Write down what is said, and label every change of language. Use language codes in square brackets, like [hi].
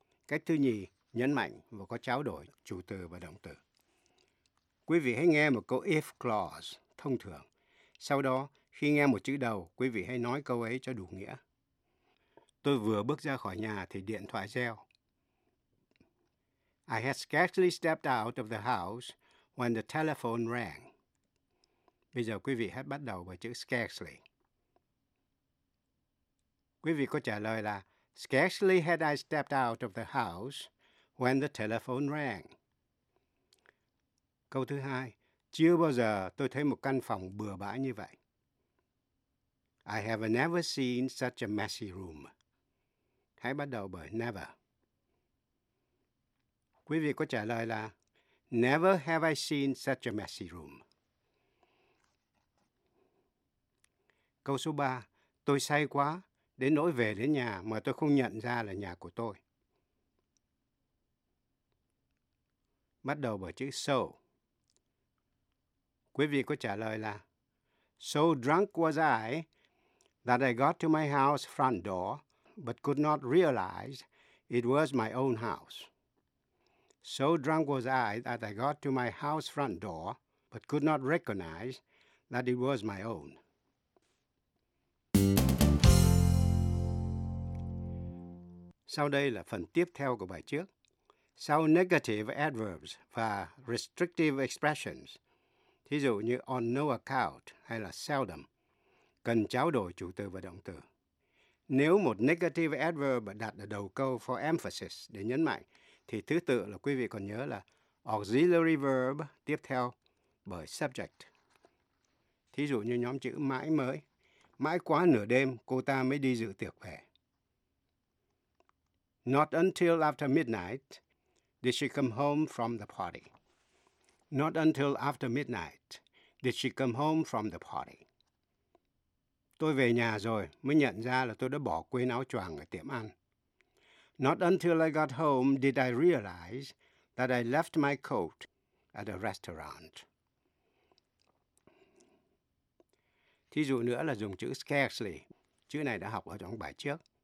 [vi] Cách thứ nhì, nhấn mạnh và có trao đổi chủ từ và động từ. Quý vị hãy nghe một câu if clause thông thường. Sau đó, khi nghe một chữ đầu, quý vị hãy nói câu ấy cho đủ nghĩa. Tôi vừa bước ra khỏi nhà thì điện thoại reo. [en] I had scarcely stepped out of the house when the telephone rang. [vi] Bây giờ quý vị hãy bắt đầu bởi chữ scarcely. Quý vị có trả lời là [en] scarcely had I stepped out of the house when the telephone rang. [vi] Câu thứ hai, chưa bao giờ tôi thấy một căn phòng bừa bãi như vậy. [en] I have never seen such a messy room. [vi] Hãy bắt đầu bởi never. Quý vị có trả lời là [en] never have I seen such a messy room. [vi] Câu số 3, tôi say quá, đến nỗi về đến nhà mà tôi không nhận ra là nhà của tôi. Bắt đầu bởi chữ so. Quý vị có trả lời là [en] so drunk was I that I got to my house front door but could not realize it was my own house. So drunk was I that I got to my house front door but could not recognize that it was my own. [vi] Sau đây là phần tiếp theo của bài trước. Sau negative adverbs và restrictive expressions, thí dụ như [en] on no account [vi] hay là seldom, cần trao đổi chủ từ và động từ. Nếu một negative adverb đặt ở đầu câu [en] for emphasis [vi] để nhấn mạnh, thì thứ tự là quý vị còn nhớ là auxiliary verb tiếp theo bởi subject. Thí dụ như nhóm chữ mãi mới, mãi quá nửa đêm cô ta mới đi dự tiệc về. [en] Not until after midnight did she come home from the party. Not until after midnight did she come home from the party. [vi] Tôi về nhà rồi mới nhận ra là tôi đã bỏ quên áo choàng ở tiệm ăn. [en] Not until I got home did I realize that I left my coat at a restaurant. [vi] Thí dụ nữa là dùng chữ scarcely. Chữ này đã học ở trong bài trước.